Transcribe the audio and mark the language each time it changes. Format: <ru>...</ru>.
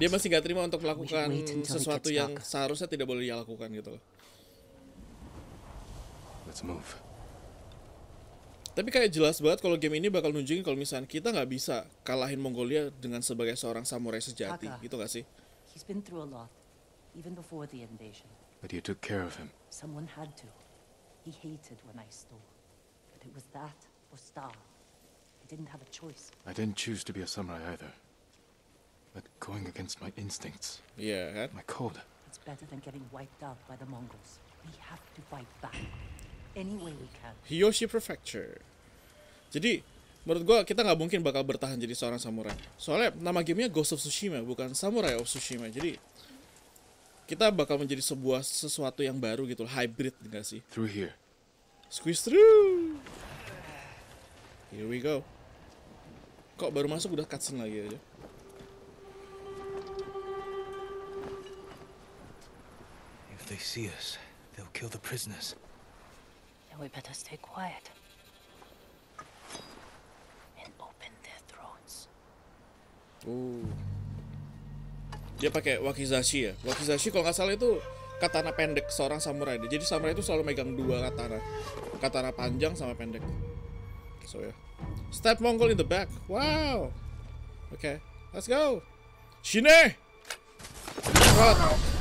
<id>Dia masih gak terima untuk melakukan sesuatu yang seharusnya tidak boleh dia lakukan gitu.</id> <en>Let's move.</en> <id>Tapi kayak jelas banget kalau game ini bakal nunjukin kalau misalnya kita nggak bisa kalahin Mongolia dengan sebagai seorang samurai sejati, Kaka, gitu nggak sih?</id> <en>He's been through a lot, even before the invasion. But you took care of him. Someone had to. He hated when I stole, but it was that or starve. I didn't have a choice. I didn't choose to be a samurai either. But going against my instincts. Yeah. Kan? My code. It's better than getting wiped out by the Mongols. We have to fight back. Any way we can.</en> <id>Hiyoshi Prefecture. Jadi, menurut gue kita gak mungkin bakal bertahan jadi seorang samurai. Soalnya nama gamenya Ghost of Tsushima, bukan Samurai of Tsushima. Jadi, kita bakal menjadi sebuah sesuatu yang baru gitu, hybrid gak sih?</id> <en>Through here. Squeeze through. Here we go.</en> <id>Kok baru masuk udah cutscene lagi aja?</id> <en>If they see us, they'll kill the prisoners. We better stay quiet and open their throats.</en> <id>Dia pakai wakizashi ya. Wakizashi kalau nggak salah itu katana pendek seorang samurai. Jadi samurai itu selalu megang dua katana, katana panjang sama pendek. So ya. Yeah.</id> <en>Step Mongol in the back.</en> <id>Wow.</id> <en>Okay, let's go. Shine. Shot.</en>